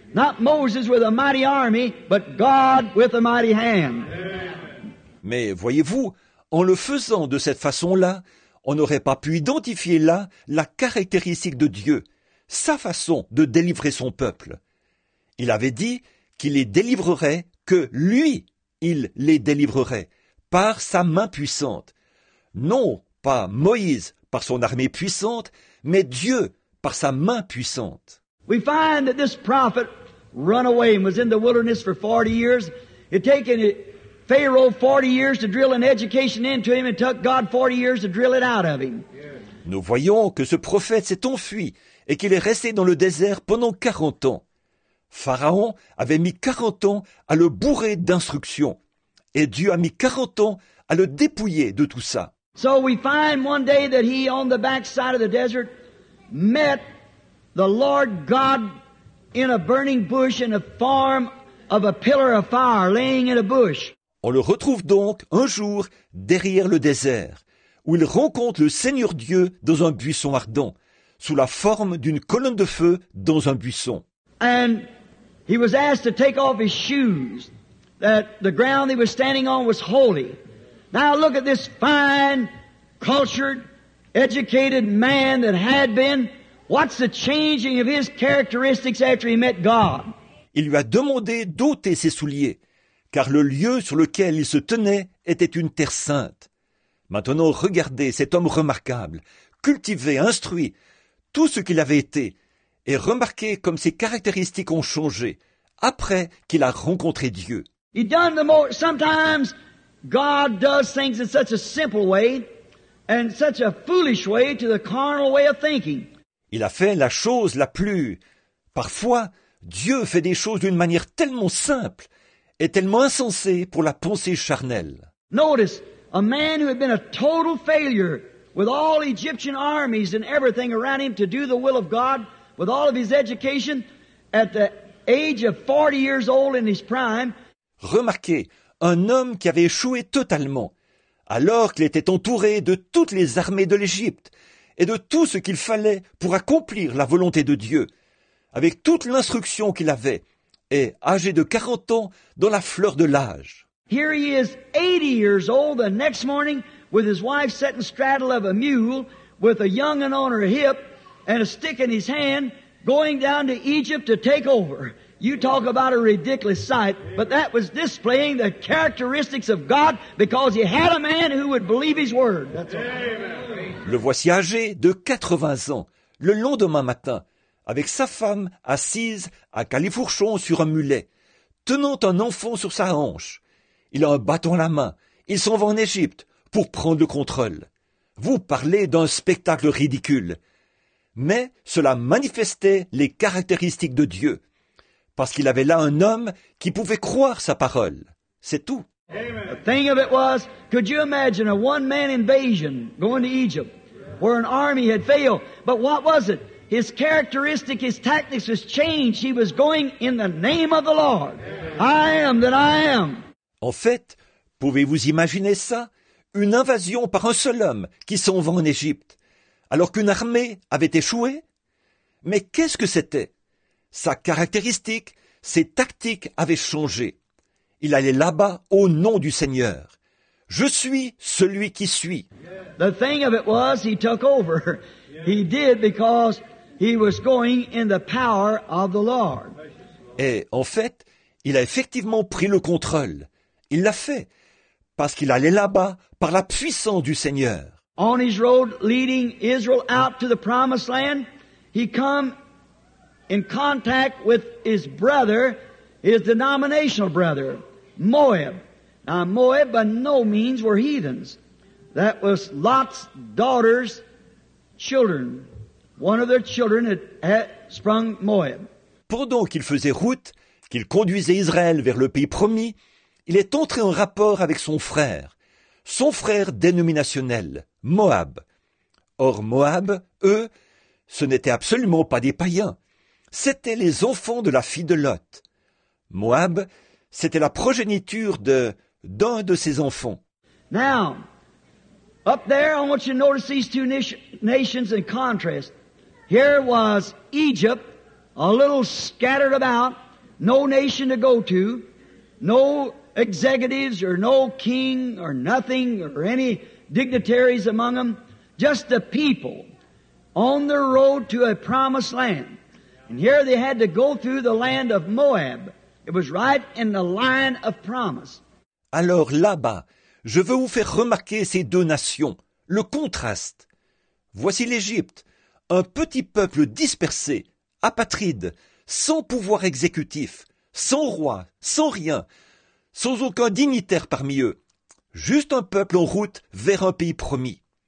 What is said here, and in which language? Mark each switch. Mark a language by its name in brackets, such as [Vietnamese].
[English] Not Moses with a mighty army, but God with a mighty hand. [French] Mais voyez-vous, en le faisant de cette façon-là, on n'aurait pas pu identifier là la caractéristique de Dieu, sa façon de délivrer son peuple. Il avait dit qu'il les délivrerait, que lui, il les délivrerait, par sa main puissante. Non pas Moïse par son armée puissante, mais Dieu par sa main puissante. [English] We find that this prophet run away and was in the wilderness for 40 years. It taken Pharaoh 40 years to drill an education into him and took God 40 years to drill it out of him. [French] Nous voyons que ce prophète s'est enfui et qu'il est resté dans le désert pendant 40 ans. Pharaon avait mis 40 ans à le bourrer d'instruction et Dieu a mis 40 ans à le dépouiller de tout ça. [English] So we find one day that he on the back side of the desert met the Lord God in a burning bush in the form of a pillar of fire laying in a bush. [French] On le retrouve donc un jour derrière le désert, où il rencontre le Seigneur Dieu dans un buisson ardent, sous la forme d'une colonne de feu dans un buisson. [English] And he was asked to take off his shoes, that the ground he was standing on was holy. Now look at this fine, cultured, educated man that had been. What's the changing of his characteristics after he met God? [French] Il lui a demandé d'ôter ses souliers, car le lieu sur lequel il se tenait était une terre sainte. Maintenant, regardez cet homme remarquable, cultivé, instruit, tout ce qu'il avait été, et remarquez comme ses caractéristiques ont changé après qu'il a rencontré Dieu. [English] He done the most. Sometimes God does things in such a simple way and such a foolish way to the carnal way of thinking. [French] Il a fait la chose la plus Parfois, Dieu fait des choses d'une manière tellement simple et tellement insensée pour la pensée charnelle. [English] Notice, a man who had been a total failure with all Egyptian armies and everything around him to do the will of God with all of his education at the age of 40 years old in his prime. [French] Remarquez, un homme qui avait échoué totalement alors qu'il était entouré de toutes les armées de l'Égypte et de tout ce qu'il fallait pour accomplir la volonté de Dieu, avec toute l'instruction qu'il avait, et âgé de 40 ans dans la fleur de l'âge. [English] Here he is 80 years old the next morning with his wife sitting straddle of a mule with a young un on her hip and a stick in his hand going down to Egypt to take over. You talk about a ridiculous sight, but that was displaying the characteristics of God because he had a man who would believe his word. That's all. [French] Le voici âgé de 80 ans, le lendemain matin, avec sa femme assise à califourchon sur un mulet, tenant un enfant sur sa hanche. Il a un bâton à la main, il s'en va en Égypte pour prendre le contrôle. Vous parlez d'un spectacle ridicule. Mais cela manifestait les caractéristiques de Dieu, parce qu'il avait là un homme qui pouvait croire sa parole. C'est tout. [English] The thing of it was, could you imagine a one-man invasion going to Egypt, where an army had failed? But what was it? His characteristic, his tactics was changed. He was going in the name of the Lord. I am that I am. [French] En fait, pouvez-vous imaginer ça? Une invasion par un seul homme qui s'en va en Égypte, alors qu'une armée avait échoué? Mais qu'est-ce que c'était? Sa caractéristique, ses tactiques avaient changé. Il allait là-bas au nom du Seigneur. Je suis celui qui suis. [English] The thing of it was, he took over. He did because he was going in the power of the Lord. [French] Et en fait, il a effectivement pris le contrôle. Il l'a fait parce qu'il allait là-bas par la puissance du Seigneur. [English] On his road leading Israel out to the promised land, he come in contact with his brother, his denominational brother, Moab. Now Moab by no means were heathens. That was Lot's daughter's children. One of their children had sprung Moab. [French] Pendant qu'il faisait route, qu'il conduisait Israël vers le pays promis, il est entré en rapport avec son frère dénominationnel, Moab. Or Moab, eux, ce n'étaient absolument pas des païens. C'étaient les enfants de la fille de Lot. Moab, c'était la progéniture d'un de ses enfants. [English] Now, up there, I want you to notice these two nations in contrast. Here was Egypt, a little scattered about, no nation to go to, no executives or no king or nothing or any dignitaries among them, just the people on their road to a promised land. And here they had to go through the land of Moab. It was right in the line of promise. [French] Alors là-bas, je veux vous faire remarquer ces deux nations, le contraste. Voici l'Égypte, un petit peuple dispersé, apatride, sans pouvoir exécutif, sans roi, sans rien, sans aucun dignitaire parmi eux, juste un peuple en route vers un pays promis.